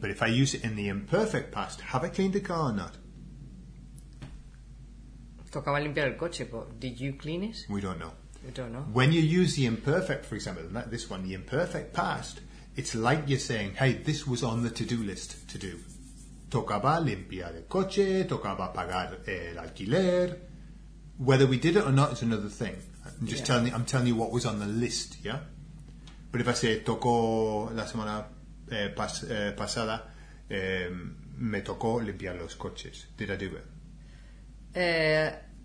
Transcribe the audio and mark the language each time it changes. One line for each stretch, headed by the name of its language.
English: But if I use it in the imperfect past, have I cleaned the car or not?
Spanish: Tocaba limpiar el coche,
English: but did you clean it? We don't know. We don't know. When you use the imperfect, for example, this one, the imperfect past, it's like you're saying, hey, this was on the to-do list to do.
Spanish: Tocaba limpiar el coche, tocaba pagar el alquiler.
English: Whether we did it or not is another thing. I'm telling you what was on the list, yeah? But if I say,
Spanish: tocó la semana pasada, me tocó limpiar los coches.
English: Did I do it?